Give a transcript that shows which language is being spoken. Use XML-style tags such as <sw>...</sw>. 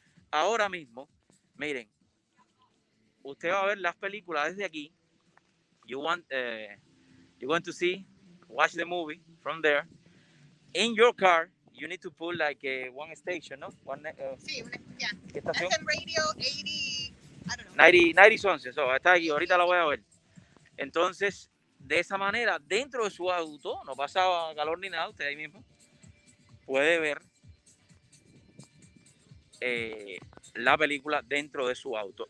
<es>Ahora mismo, miren. Usted va a ver las películas desde aquí.</es> <en>You want to watch the movie from there. In your car. You need to put like one station, no?</en> <es>Sí, una estación. FM Radio 90 Sons, eso, está aquí, ahorita la voy a ver. Entonces, de esa manera, dentro de su auto, no pasa calor ni nada, usted ahí mismo, puede ver la película dentro de su auto.</es>